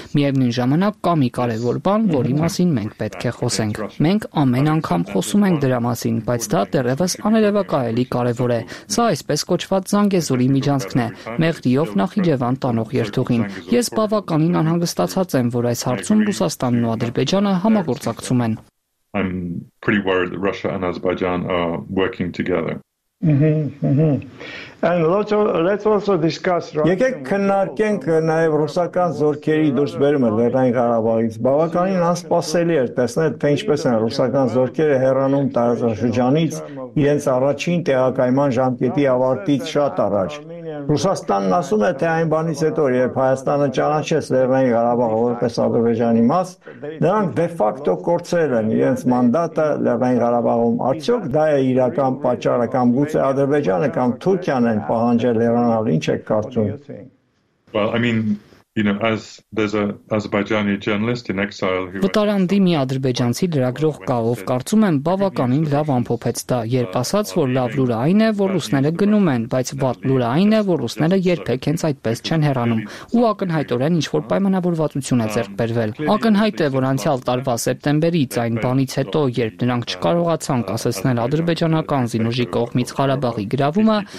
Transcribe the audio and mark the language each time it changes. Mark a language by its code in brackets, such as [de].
[hy] Միևնույն ժամանակ կա մի կարևոր բան, որի մասին մենք պետք է խոսենք։ Մենք ամեն անգամ խոսում ենք դրա մասին, բայց դա դեռևս աներևակայելի կարևոր է։ Սա այսպես կոչված Զանգեզուրի միջանցքն է՝ Մեղրիով Նախիջևան տանող երթուղին։ Ես բավականին անհանգստացած եմ, որ այս հարցում Ռուսաստանն ու Ադրբեջանը համագործակցում են։ [en] I'm pretty worried that Russia and Azerbaijan are working together. And let's also discuss Russia. [hy] Եկեք քննարկենք նաև ռուսական զորքերի դուրսբերումը Լեռնային Ղարաբաղից։ Բավականին անսպասելի էր տեսնել, թե ինչպես են ռուսական զորքերը հեռանում տարածաշրջանից իրենց առաջին տեղակայման ժամկետի ավարտից շատ առաջ։ Ռուսաստանն ասում է, թե այն բանից հետո, երբ Հայաստանը ճանաչեց Լեռնային Ղարաբաղը որպես Ադրբեջանի մաս, նրանք դեֆակտո կորցրել են իրենց մանդատը Լեռնային Ղարաբաղում։ Արդյոք դա է իրական պատճառը, կամ գուցե Ադրբեջանը կամ Թուրքիան են պահանջել հեռանալ, ինչ եք կարծում։ [en] Well, I mean, you know, as there's a Azerbaijani journalist in exile who [hy] Վտարանդի մի ադրբեջանցի լրագրող կա, ով կարծում եմ բավականին լավ ամփոփեց դա, երբ ասաց, որ լավ լուրը այն է, որ ռուսները գնում են, բայց վատ լուրը այն է, որ ռուսները երբեք հենց այդպես չեն հեռանում, ու ակնհայտորեն ինչ որ պայմանավորվածություն է ձեռք բերվել։ Ակնհայտ է, որ անցյալ տարվա սեպտեմբերից այն բանից հետո, երբ նրանք չկարողացան կասեցնել ադրբեջանական զինուժի կողմից Ղարաբաղի գրավումը,